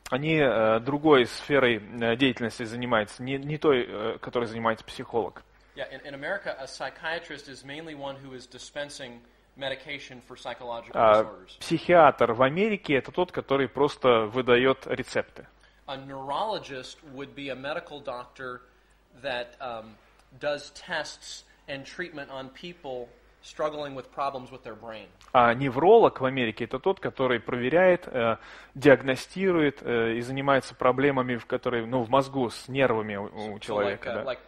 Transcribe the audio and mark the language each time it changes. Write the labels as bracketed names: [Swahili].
[Russian] Они другой сферой деятельности занимаются, не той, которой занимается психолог. [English] Yeah, in America, a psychiatrist is mainly one who is dispensing medication for psychological disorders. [Russian] Психиатр в Америке это тот, который просто выдает рецепты. [English] A neurologist would be a medical doctor that does tests and treatment on people struggling with problems with their brain. [Russian] А невролог в Америке это тот, который проверяет, диагностирует и занимается проблемами, в мозгу с нервами у человека.